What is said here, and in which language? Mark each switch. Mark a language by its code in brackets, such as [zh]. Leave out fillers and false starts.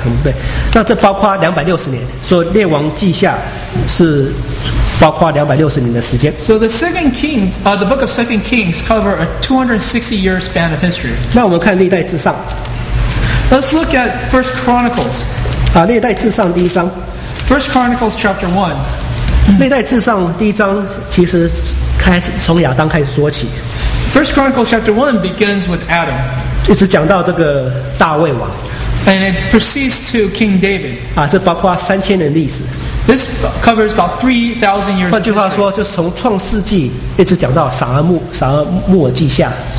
[zh] 对，那这包括260年，所以列王记下是包括260年的时间。 [en] So the second kings, the book of Second Kings cover a 260-year span of history. [zh] 那我们看历代志上。 [en] Let's look at First Chronicles. [zh] 历代志上第一章。 [en] First Chronicles chapter 1. [zh] 历代志上第一章其实开始从亚当开始说起。 [en] First Chronicles chapter 1 begins with Adam. [zh] 一直讲到这个大卫王。 [en] And it proceeds to King David. [zh] 这包括3000年历史。 [en] This covers about 3,000 years. [zh] 换句话说，就是从创世纪一直讲到撒尔穆尔记下。